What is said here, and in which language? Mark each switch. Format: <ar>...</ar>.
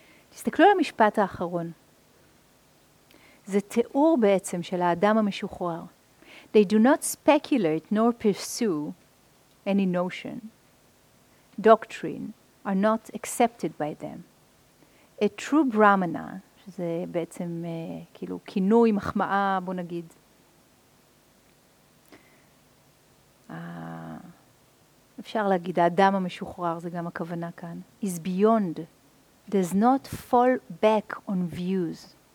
<he>תסתכלו על המשפט האחרון. זה תיאור בעצם של האדם המשוחרר.</he> <en>They do not speculate nor pursue any notion. Doctrine are not accepted by them. A true Brahmana,</en> <he>שזה בעצם כאילו כינוי, מחמאה, בוא נגיד. אפשר להגיד, האדם המשוחרר, זה גם הכוונה כאן,</he> <en>is beyond, does not fall back on views.</en>